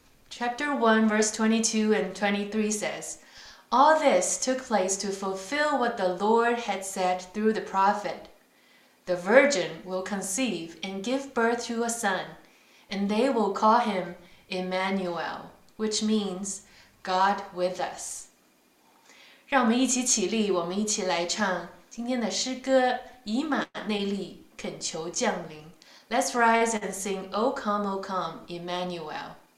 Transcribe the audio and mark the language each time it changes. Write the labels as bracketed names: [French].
[English] Chapter 1, verse 22 and 23 says, All this took place to fulfill what the Lord had said through the prophet. The virgin will conceive and give birth to a son, and they will call him Emmanuel, which means God with us. [Chinese] 让我们一起起立，我们一起来唱今天的诗歌《以马内利，恳求降临》。 [English] Let's rise and sing, O come, O come, Emmanuel.